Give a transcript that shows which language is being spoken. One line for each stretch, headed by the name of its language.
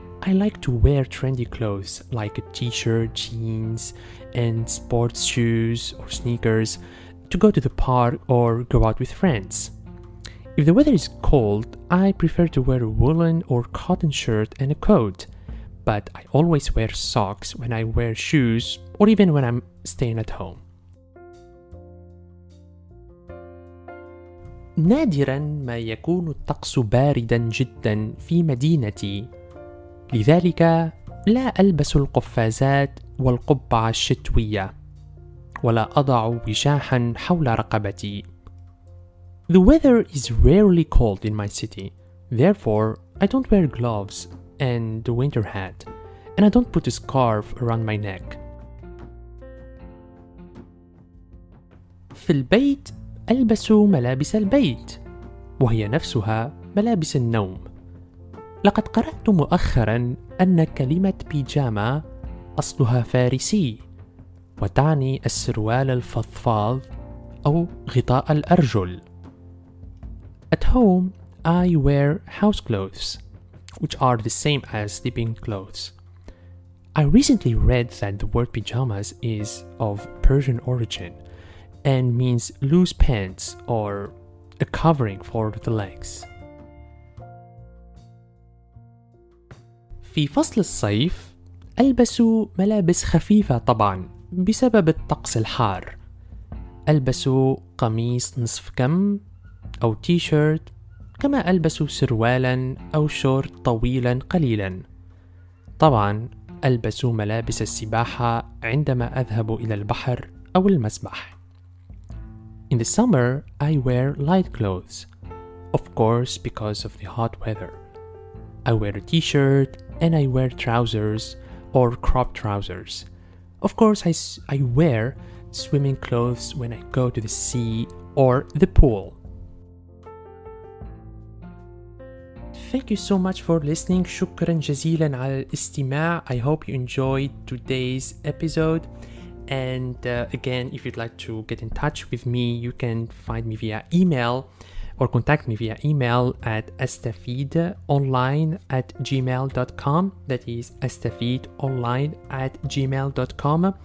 English: I like to wear trendy clothes like a t-shirt, jeans, and sports shoes or sneakers to go to the park or go out with friends. If the weather is cold, I prefer to wear a woolen or cotton shirt and a coat. But I always wear socks when I wear shoes, or even when I'm staying at home.
Arabic: نادراً ما يكون الطقس بارداً جداً في مدينتي. لذلك لا ألبس القفازات والقبعة الشتوية ولا أضع وشاحاً حول رقبتي.
English: The weather is rarely cold in my city. Therefore, I don't wear gloves and the winter hat, and I don't put a scarf around my neck.
Arabic: في البيت ألبس ملابس البيت وهي نفسها ملابس النوم. لقد قرأت مؤخراً أن كلمة بيجاما أصلها فارسي وتعني السروال الفضفاض أو غطاء الأرجل.
English: At home, I wear house clothes, which are the same as sleeping clothes. I recently read that the word pajamas is of Persian origin and means loose pants or a covering for the legs.
Arabic: في فصل الصيف ألبس ملابس خفيفة طبعا بسبب الطقس الحار. ألبس قميص نصف كم أو تي-شيرت، كما ألبس سروالاً أو شورت طويلاً قليلاً. طبعاً ألبس ملابس السباحة عندما أذهب إلى البحر أو المسبح.
English: In the summer, I wear light clothes. Of course, because of the hot weather. I wear a t-shirt and I wear trousers or crop trousers. Of course, I wear swimming clothes when I go to the sea or the pool. Thank you so much for listening.
Arabic: شكرا جزيلا على الاستماع.
English: I hope you enjoyed today's episode. And again, if you'd like to get in touch with me, you can find me via email or contact me via email at astafeedonline@gmail.com. That is astafeedonline@gmail.com.